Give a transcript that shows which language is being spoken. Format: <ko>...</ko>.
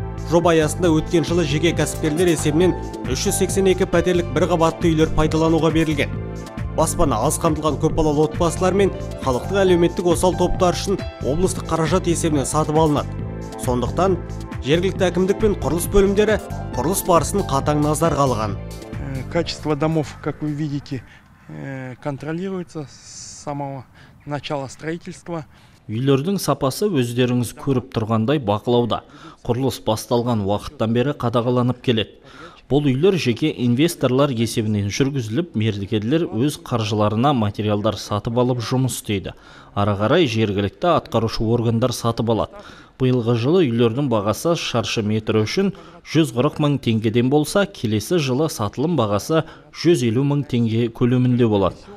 <kk>Жоба аясында өткен жылы жеке кәсіпкерлер есебінен 382 пәтерлік бір қабатты үйлер пайдалануға берілген. Баспана аз қамтылған көпбалалы отбасылар мен халықтың әлеуметтік осал топтар үшін облыстық қаражат есебінен сатып алынады. Сондықтан жергілікті әкімдік пен құрылыс бөлімдері құрылыс барысын қатаң назарға алған.</kk> <ru>Качество домов, как вы видите, контролируется с самого начала строительства.</ru> <kk>Үйлердің сапасы өздеріңіз көріп тұрғандай бақылауда. Құрылыс басталған уақыттан бері қадағаланып келеді. Бұл үйлер жеке инвесторлар есебінен жүргізіліп, мердігерлер өз қаржыларына материалдар сатып алып жұмыс істейді. Ары қарай жергілікті атқарушы органдар сатып алады. Биылғы жылы үйлердің бағасы шаршы метр үшін 140 мың теңгеден болса, келесі жылы сатылым бағасы 150 мың теңге көлемінде болады.</kk>